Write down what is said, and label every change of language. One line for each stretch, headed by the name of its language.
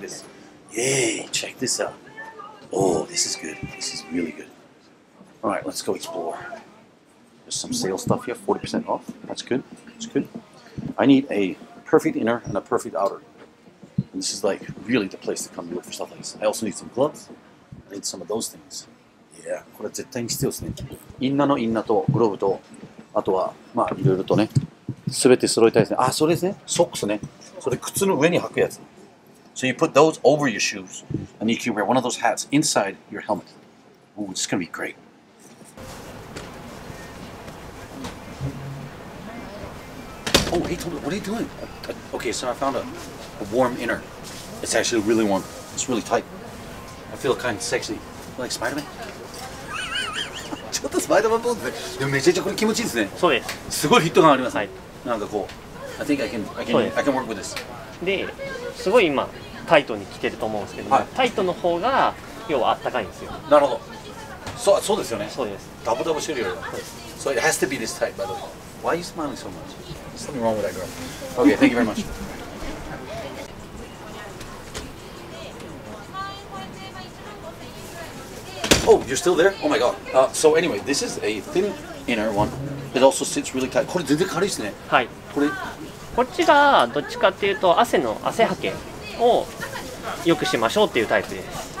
English: This. Yay! Check this out. Oh, this is good. This is really good. All right, let's go explore. There's some sale stuff here, 40% off. That's good, that's good. I need a perfect inner and a perfect outer. And this is like really the place to come to look for stuff like this. I also need some gloves. I need some of those things. Yeah,
Japanese: これ絶対に必要ですね。インナーのインナーとグローブと、あとはまあいろいろとね、すべて揃えたいですね。あ、それですね、ソックスね。それ靴の上に履くやつ。
English: So you put those over your shoes, and you can wear one of those hats inside your helmet. Ooh, this is gonna be great. Oh, hey, Tony, what are you doing? Okay, so I found a warm inner. It's actually really warm. It's really tight. I feel kind of sexy. Like Spider-Man?
Japanese: ちょっとスパイダーマンポーズで。でもめちゃくちゃこれ気持ちいいですね。そうです。すごいフィット感あります。はい。なんかこう、
English: I think I can work with this.
Japanese: で、すごい今、タイトに着てると思うんですけど、はい、タイトの方が、要はあったかいんですよ。なるほど。そうですよね。そうです。ダボダボしてるよ。
English: So it has to be this tight, by the way. Why are you smiling so much? There's something wrong with that girl. Okay, thank you very much. Oh, you're still there? Oh my god. So anyway, this is a thin inner one. It also sits really tight.
Japanese: これ全然軽いですね。はい。これ。こっちがどっちかっていうと汗はけをよくしましょうっていうタイプです。